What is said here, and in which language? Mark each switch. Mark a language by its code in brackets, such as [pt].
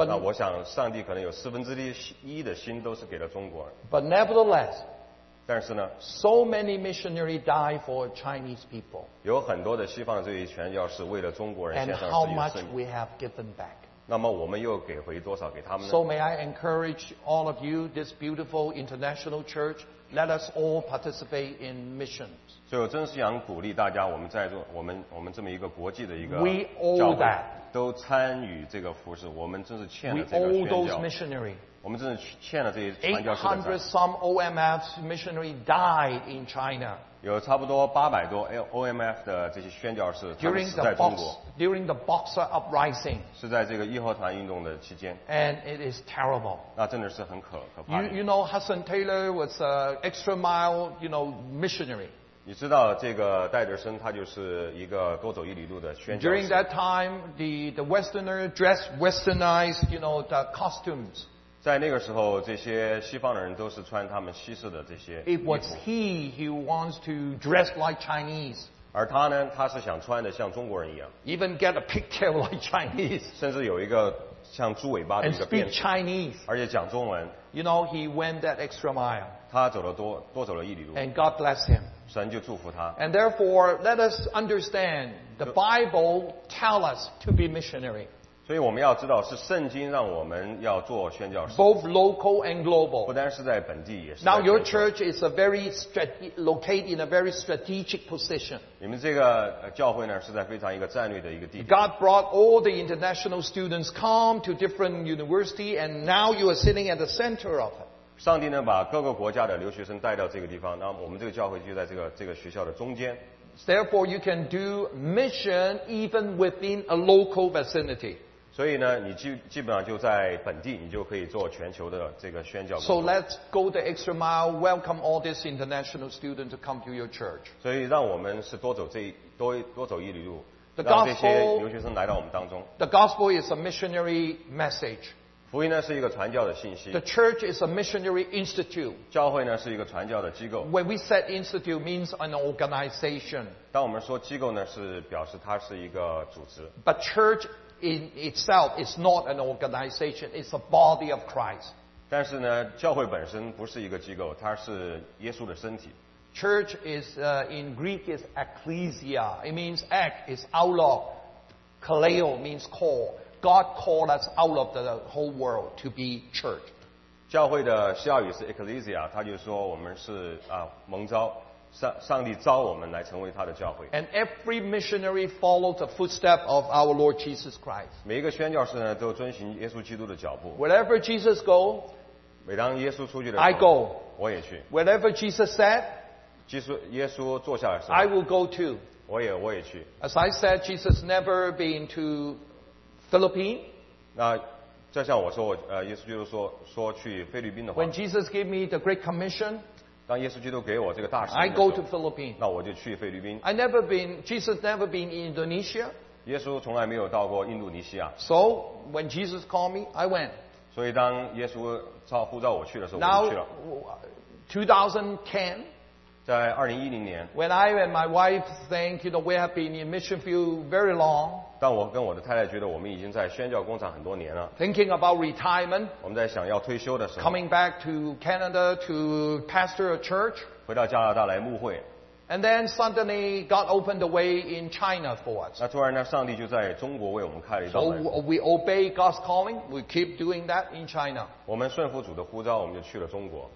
[zh] 那我想上帝可能有四分之一的心都是给了中国。 [en] But nevertheless, [zh] 但是呢 [en] ，so many missionaries die for Chinese people. [zh] 有很多的西方这些传教士为了中国人献上自己的生命。 [en] And how much we have given back? [zh] 那么我们又给回多少给他们呢 [en] ？So may I encourage all of you, this beautiful international church, let us all participate in missions. [zh] 所以我真是想鼓励大家，我们在座，我们这么一个国际的一个教会，都参与这个服事，我们真是欠了这个宣教。 [en] We owe those missionary. [zh] 我们真是欠了这些传教士的债。 [en] 800 some OMF missionary died in China. [zh] 有差不多800多 OMF 的这些宣教士，他们死在中国。 [en] During the Boxer uprising. [zh] 是在这个义和团运动的期间。 [en] And it is terrible. [zh] 那真的是很可怕。 [en] You know Hudson Taylor was an extra mile, you know, missionary. [zh] 你知道这个戴德森他就是一个多走一里路的宣教士。 [en] During that time, the Westerner dressed westernized, you know, the costumes. [zh] 在那个时候，这些西方的人都是穿他们西式的这些衣服。 [en] It was he who wants to dress like Chinese. [zh] 而他呢，他是想穿的像中国人一样。 [en] Even get a pigtail like Chinese. [zh] 甚至有一个像猪尾巴的一个辫子。 [en] And speak Chinese. [zh] 而且讲中文。 [en] You know, he went that extra mile. [zh] 他走了多走了一里路。 [en] And God bless him. [zh] 神就祝福他。 [en] And therefore, let us understand the Bible tells us to be missionary. [zh] 所以我们要知道是圣经让我们要做宣教士。 [en] Both local and global. [zh] 不单是在本地，也是。 [en] Now your church is a very located in a very strategic position. [zh] 你们这个教会呢是在非常一个战略的一个地点。 [en] God brought all the international students come to different university, and now you are sitting at the center of it. [zh] 上帝呢把各个国家的留学生带到这个地方，那我们这个教会就在这个学校的中间。 [en] Therefore, you can do mission even within a local vicinity. [zh] 所以呢，你基本上就在本地，你就可以做全球的这个宣教工 [en] 作。So let's go the extra mile, welcome all these international students to come to your church. [zh] 所以让我们是多走一里路，让这些留学生来到我们当中。 [en] The gospel is a missionary message. [zh] 福音呢是一个传教的信息。 [en] The church is a missionary institute. [zh] 教会呢是一个传教的机构。 [en] When we said institute means an organization. [zh] 当我们说机构呢是表示它是一个组织。 [en] But church in itself is not an organization. It's a body of Christ. [zh] 但是呢教会本身不是一个机构，它是耶稣的身体。 [en] Church is, in Greek is ecclesia. It means ek is outlaw. Kaleo means call. God called us out of the whole world to be church. [zh] 教会的希腊语是 ecclesia, 他就说我们是蒙召，上帝召我们来成为他的教会。 [en] And every missionary followed the footstep of our Lord Jesus Christ. [zh] 每一个宣教士呢都遵循耶稣基督的脚步。 [en] Wherever Jesus go, [zh] 每当耶稣出去的时候 [en] I go. [zh] 我也去。 [en] Wherever Jesus said, [zh] 耶稣坐下来的时候 [en] I will go too. [zh] 我也去。 [en] As I said, Jesus never been to... Philippines. [zh] 那就像我说，耶稣基督说去菲律宾的话。 [en] When Jesus gave me the Great Commission, [zh] 当耶稣基督给我这个大使命的时候， [en] I go to Philippines. [zh] 那我就去菲律宾。 [en] I never been. Jesus never been in Indonesia. [zh] 耶稣从来没有到过印度尼西亚。 [en] So when Jesus called me, I went. [zh] 所以当耶稣呼召我去的时候， [en] now, [zh] 我就去了。 [en] 2010. [zh] 在2010年。 [en] When I and my wife think, you know, we have been in mission field very long. [zh] 但我跟我的太太觉得我们已经在宣教工厂很多年了。 [en] Thinking about retirement, [zh] 我们在想要退休的时候。 [en] Coming back to Canada to pastor a church, [zh] 回到加拿大来牧会。 [en] And then suddenly God opened the way in China for us. [zh] 那突然呢, 上帝就在中国为我们开了一道门。 [en] So we obey God's calling, we keep doing that in China. [zh] 我们顺服主的呼召, 我们就去了中国。